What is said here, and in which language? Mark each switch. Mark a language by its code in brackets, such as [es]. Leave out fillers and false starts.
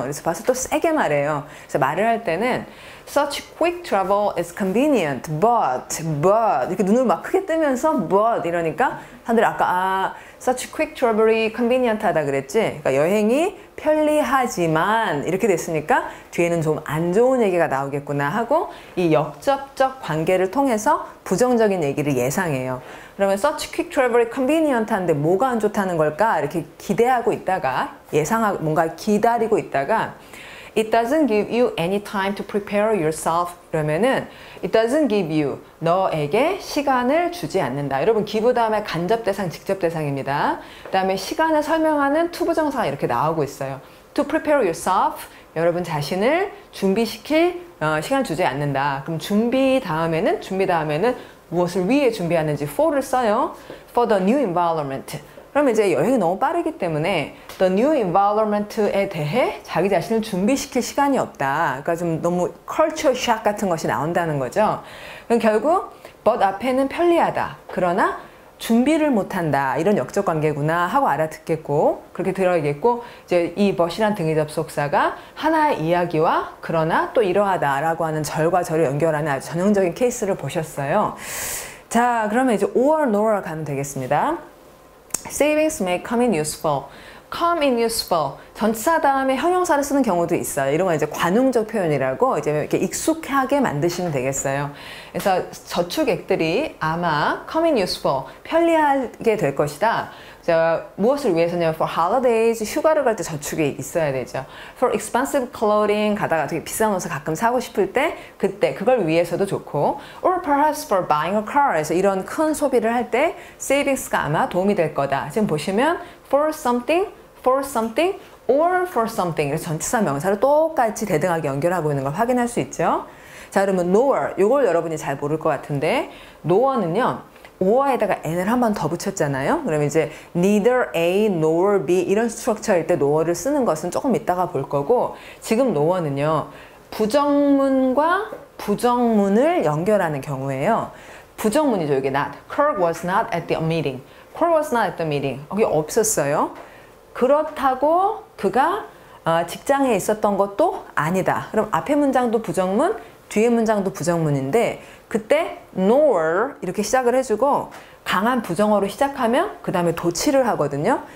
[ko] 그래서 but을 또 세게 말해요. 그래서 말을 할 때는 [en] such quick travel is convenient, but [ko] 이렇게 눈을 막 크게 뜨면서 but 이러니까 사람들이 아까 [en] such quick travel [ko] 이 convenient하다 그랬지. 그러니까 여행이 편리하지만 이렇게 됐으니까 뒤에는 좀안 좋은 얘기가 나오겠구나 하고 이 역접적 관계를 통해서 부정적인 얘기를 예상해요. 그러면 [en] such quick travel [ko] 이 convenient한데 뭐가 안 좋다는 걸까? 이렇게 기대하고 있다가 예상하고 뭔가 기다리고 있다가 [en] it doesn't give you any time to prepare yourself [ko] 이러면은 [en] it doesn't give you [ko] 너에게 시간을 주지 않는다. 여러분 give 다음에 간접 대상, 직접 대상입니다. 그다음에 시간을 설명하는 to 부정사가 이렇게 나오고 있어요. [en] to prepare yourself [ko] 여러분 자신을 준비시킬 시간을 주지 않는다. 그럼 준비 다음에는 무엇을 위해 준비하는지 for를 써요. [en] For the new environment. [ko] 그러면 이제 여행이 너무 빠르기 때문에 [en] the new environment [ko] 에 대해 자기 자신을 준비시킬 시간이 없다. 그러니까 좀 너무 culture shock 같은 것이 나온다는 거죠. 그럼 결국 but 앞에는 편리하다. 그러나 준비를 못한다. 이런 역적 관계구나 하고 알아듣겠고 그렇게 들어야겠고 이제 이 but이란 등의 접속사가 하나의 이야기와 그러나 또 이러하다 라고 하는 절과 절을 연결하는 아주 전형적인 케이스를 보셨어요. 자, 그러면 이제 or nor 가면 되겠습니다. [en] Savings may come in useful. Come in useful. [ko] 전치사 다음에 형용사를 쓰는 경우도 있어요. 이런 건 이제 관용적 표현이라고 이제 이렇게 익숙하게 만드시면 되겠어요. 그래서 저축액들이 아마 [en] come in useful, [ko] 편리하게 될 것이다. 자, 무엇을 위해서냐면 [en] for holidays, [ko] 휴가를 갈 때 저축이 있어야 되죠. [en] For expensive clothing, [ko] 가다가 되게 비싼 옷을 가끔 사고 싶을 때 그때 그걸 위해서도 좋고 [en] or perhaps for buying a car, [ko] 그래서 이런 큰 소비를 할 때 savings가 아마 도움이 될 거다. 지금 보시면 [en] for something, or for something [ko] 그래서 전치사 명사를 똑같이 대등하게 연결하고 있는 걸 확인할 수 있죠. 자, 그러면 nor, 이걸 여러분이 잘 모를 것 같은데 nor는요 or에다가 n을 한 번 더 붙였잖아요. 그러면 이제 [en] neither a nor b [ko] 이런 스트럭처일 때 nor를 쓰는 것은 조금 이따가 볼 거고 지금 nor는요 부정문과 부정문을 연결하는 경우예요. 부정문이죠. 이게 not. [en] Kirk was not at the meeting. Kirk was not at the meeting. [ko] 여기 없었어요. 그렇다고 그가 직장에 있었던 것도 아니다. 그럼 앞에 문장도 부정문, 뒤에 문장도 부정문인데 그때 nor 이렇게 시작을 해주고 강한 부정어로 시작하면 그 다음에 도치를 하거든요.